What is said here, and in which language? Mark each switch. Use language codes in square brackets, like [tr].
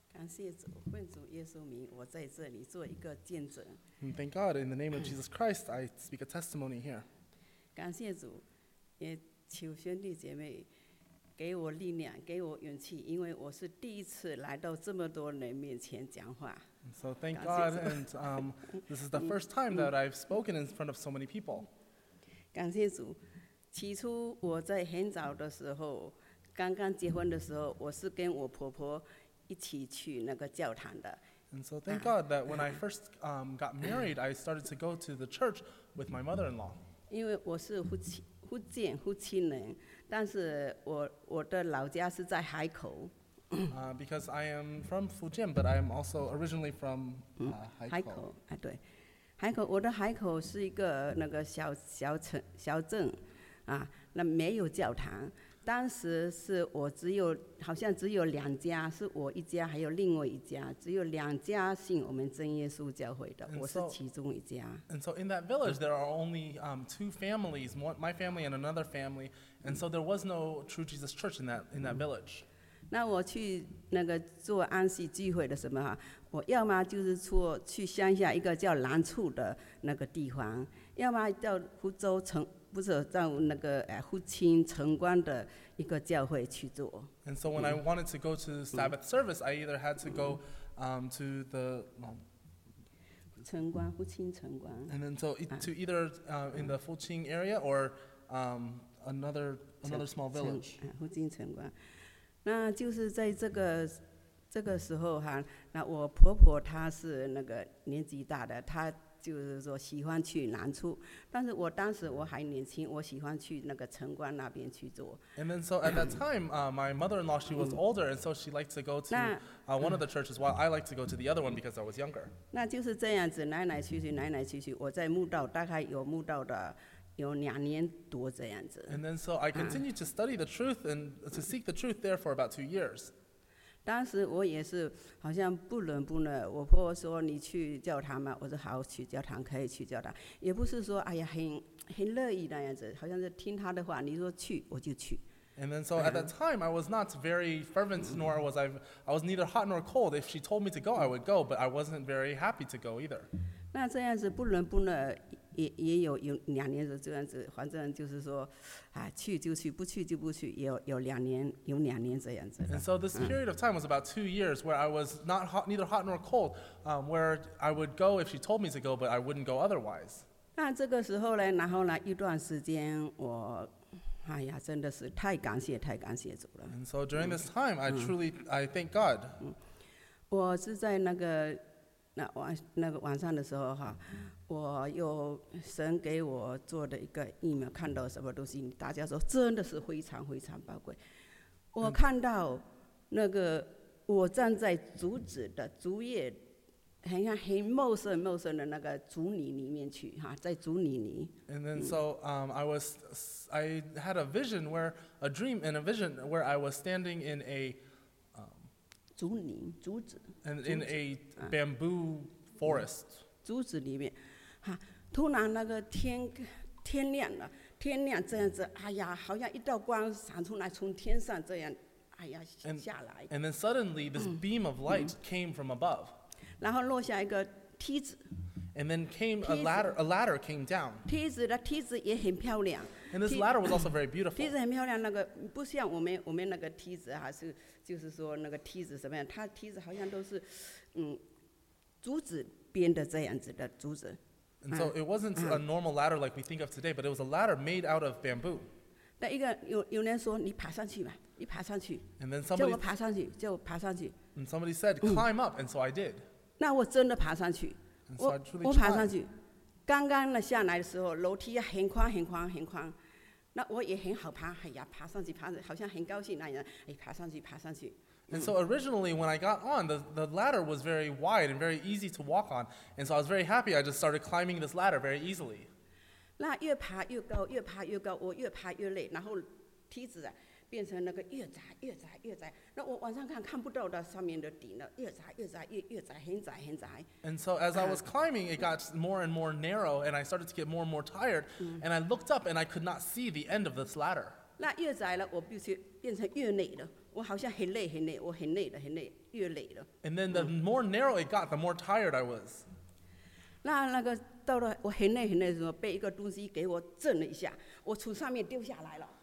[en] Thank God, in the name of Jesus Christ, I speak a testimony here. [zh] 感谢主，也求兄弟姐妹给我力量，给我勇气，因为我是第一次来到这么多人面前讲话。 [en] So thank God, and this is the first time that I've spoken in front of so many people. [zh] 感谢主，起初我在很早的时候刚刚结婚的时候，我是跟我婆婆一起去那个教堂的。 [en] And so thank God that when I first got married, I started to go to the church with my mother-in-law. [zh] 因为我是福建人，但是我的老家是在海口。 [en] Because I am from Fujian, but I am also originally from 海口。 [zh] 哎，对，海口，我的海口是一个那个小镇，啊，那没有教堂。当时是我只有好像只有两家，是我一家还有另外一家，只有两家信我们真耶稣教会的，我是其中一家。 [en] And so in that village there are only two families, my family and another family, and so there was no True Jesus Church in that village. [zh] 那我去那个做安息聚会的什么，我要么就是去乡下一个叫南处的那个地方，要么到福州城。不是在那个福清城关的一个教会去做。 [en] And so when I wanted to go to Sabbath service, I either had to go to the [zh] 城关，福清城关。 [en] And then so to either in the 福清 area or another small village. [zh] 福清城关，那就是在这个时候哈，那我婆婆她是那个年纪大的，她。就是说喜欢去南处，但是我当时我还年轻，我喜欢去那个城关那边去做。 [en] And then so at that time, my mother-in-law she was older, and so she liked to go to one of the churches, while I liked to go to the other one because I was younger. [zh] 那就是这样子，来来去去，我在慕道大概有慕道的有两年多这样子。 [en] And then so I continued to study the truth and to seek the truth there for about 2 years. [zh] 当时我也是好像不伦不类，我婆婆说你去教堂嘛，我说好去教堂，可以去教堂，也不是说哎呀很乐意那样子，好像是听她的话，你说去我就去。 [en] And then so at that time I was not very fervent, nor was I was neither hot nor cold. If she told me to go, I would go, but I wasn't very happy to go either. [zh] 那这样子不伦不类也有两年的这样子，反正就是说，啊，去就去，不去就不去，有两年，有两年这样子。 [en] And so this period of time was about 2 years, where I was not hot, neither hot nor cold, where I would go if she told me to go, but I wouldn't go otherwise. [zh] 那这个时候呢，然后呢，一段时间我，哎呀，真的是太感谢，太感谢主了。 [en] And so during this time, I truly I thank God. [zh] 我是在那个晚上的时候哈。我有神给我做的一个异梦，看到什么东西，大家说真的是非常非常宝贵。我看到那个我站在竹子的竹叶，很像很陌生陌生的那个竹泥里面去哈，在竹泥里。 [en] And then so I had a vision where a dream and a vision where I was standing in a [zh] 竹泥竹子 [en] and in a bamboo forest [zh] 竹子里面。突然那个天亮了，天亮这样子，哎呀，好像一道光闪出来，从天上这样，哎呀，下来。 [en] And then suddenly this beam of light came from above. [zh] 然后落下一个梯子。 [en] And then came a ladder came down. [zh] 梯子也很漂亮。 [en] And this ladder was also very beautiful. [zh] 梯子很漂亮，那个不像我们那个梯子，还是就是说那个梯子什么样？它梯子好像都是竹子编的这样子的竹子。 [en] And so it wasn't a normal ladder like we think of today, but it was a ladder made out of bamboo. [zh] 那一个有人说你爬上去吧，你爬上去。 [en] And then somebody [zh] 叫我爬上去，叫我爬上去。 [en] And somebody said, "Climb up." And so I did. [zh] 那我真的爬上去。 [en] And so I truly tried. [zh] 我爬上去，刚刚呢下来的时候，楼梯很宽很宽很宽，那我也很好爬。哎呀，爬上去，爬上去，好像很高兴那样。哎，爬上去，爬上去。 [en] And so originally when I got on, the ladder was very wide and very easy to walk on. And so I was very happy. I just started climbing this ladder very easily. [zh] 那越爬越高，越爬越高，我越爬越累，然后梯子变成那个越窄越窄越窄，那我往上看看不到的上面的顶了，越窄越窄越窄，很窄很窄。 [en] And so as I was climbing, it got more and more narrow, and I started to get more and more tired. And I looked up and I could not see the end of this ladder. [zh] 那越窄了，我必须变成越累了。我好像很累很累，我很累了很累，越累了。 [en] And then the more narrow it got, the more tired I was. [zh] 那个到了我很累很累的时候，被一个东西给我震了一下，我从上面丢下来了。